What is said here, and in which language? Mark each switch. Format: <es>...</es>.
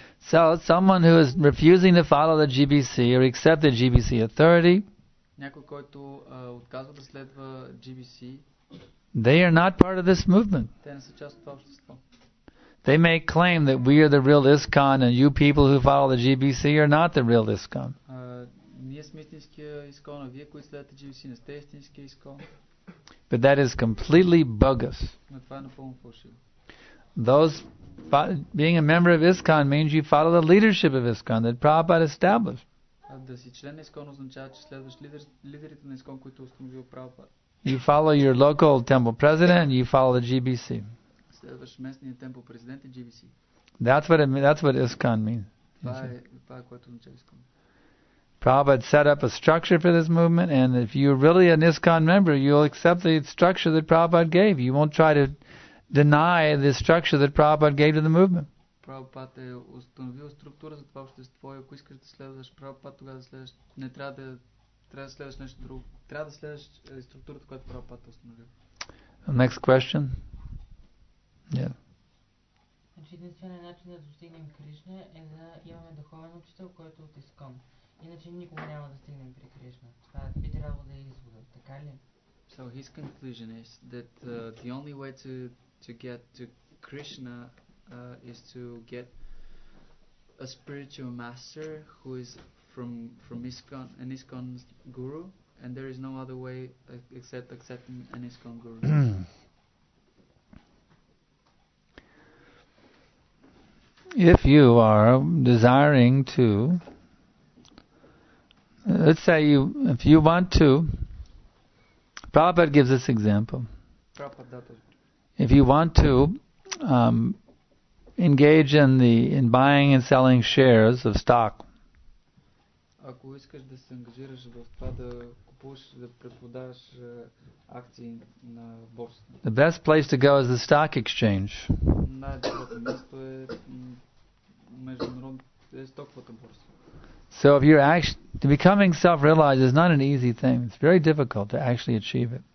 <en>So someone who is refusing to follow the GBC or accept the GBC authority,</en> <bg>някой, който отказва да следва GBC,</bg> <en>they are not part of this movement.</en> <bg>Те не са част от това общество.</bg> <en>They may claim that we are the real ISKCON and you people who follow the GBC are not the real ISKCON.</en> <bg>Ние сме истинския ISKCON, а вие, които следвате GBC, не сте истинския ISKCON.</bg> <en>But that is completely bogus.</en> <bg>Но това е напълно фалшиво.</bg> <en>Being a member of ISKCON means you follow the leadership of ISKCON that Prabhupada established.</en> <bg>Да си член на ИСКОН означава, че следваш лидерите на ИСКОН, които установил Prabhupada.</bg> <en>You follow your local temple president, you follow the GBC.</en> <bg>Следваш местния темпл президент и GBC.</bg> <en>That's what ISKCON means.</en> <bg>Това е което означава ИСКОН.</bg> <en>Prabhupada set up a structure for this movement, and if you're really an ISKCON member, you'll accept the structure that Prabhupada gave. You won't try to deny the structure that Prabhupada gave to the movement.</en> <bg>Prabhupada е установил структура за това общество и ако искаш да следваш Prabhupada, тогава трябва да следваш нещо друго. Трябва да следваш структурата, която Prabhupada е установил.</bg> <en>Next question. Yeah.</en> <bg>Значи единственият начин да достигнем Кришна е да имаме духовен учител, който е от ИСКОН. Иначе никога няма да стигнем при Кришна. Това би трябвало да е извода, така ли?</bg> <en>So his conclusion is that the only way to get to Krishna is to get a spiritual master who is from ISKCON, an ISKCON guru, and there is no other way except accepting an ISKCON guru. If you are desiring to, let's say you, if you want to, Prabhupada gives this example. If you want to engage in the in buying and selling shares of stock,</en> <bg>ако искаш да се ангажираш в това да купуваш, да препродаваш акции на борсата.</bg> <en>The best place to go is the stock exchange.</en> <bg>Най-доброто място е международната стоковата борса.</bg> <en>So if you're actually becoming self-realized is not an easy thing. It's very difficult to actually achieve it.</en>